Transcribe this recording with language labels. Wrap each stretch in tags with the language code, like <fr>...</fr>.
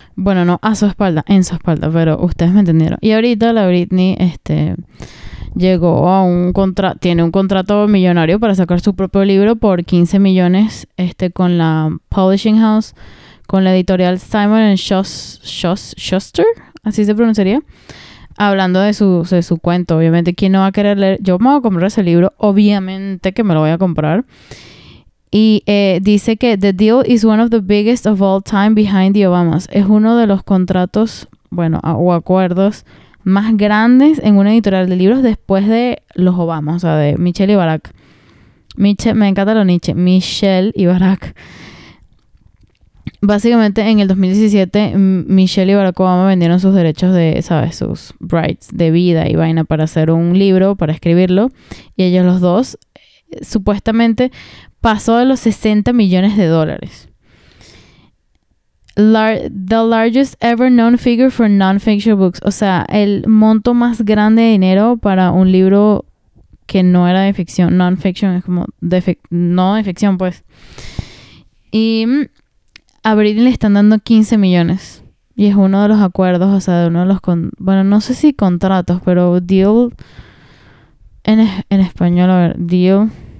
<es>Bueno, no a su espalda, en su espalda, pero ustedes me entendieron. Y ahorita la Britney, llegó a un contrato, tiene un contrato millonario para sacar su propio libro por 15 millones, con la Publishing House, con la editorial Simon & Schuster, así se pronunciaría, hablando de su cuento. Obviamente, ¿quién no va a querer leer? Yo me voy a comprar ese libro, obviamente que me lo voy a comprar.</es> <en>Y dice que the deal is one of the biggest of all time behind the Obamas.</en> <es>Es uno de los contratos, bueno, o acuerdos más grandes en una editorial de libros después de los Obamas, o sea, de Michelle y Barack. Me encanta lo Nietzsche, Michelle y Barack. Básicamente, en el 2017, Michelle y Barack Obama vendieron sus derechos de, ¿sabes?, sus rights de vida y vaina para hacer un libro, para escribirlo. Y ellos los dos, supuestamente, pasó de los 60 millones de dólares.</es> <en>The largest ever known figure for non-fiction books.</en> <es>O sea, el monto más grande de dinero para un libro que no era de ficción. Non-fiction es como no de ficción, pues. Y a Britney le están dando 15 millones. Y es uno de los acuerdos, o sea, de uno de los... bueno, no sé si contratos, pero deal... En español, a ver, deal...</es>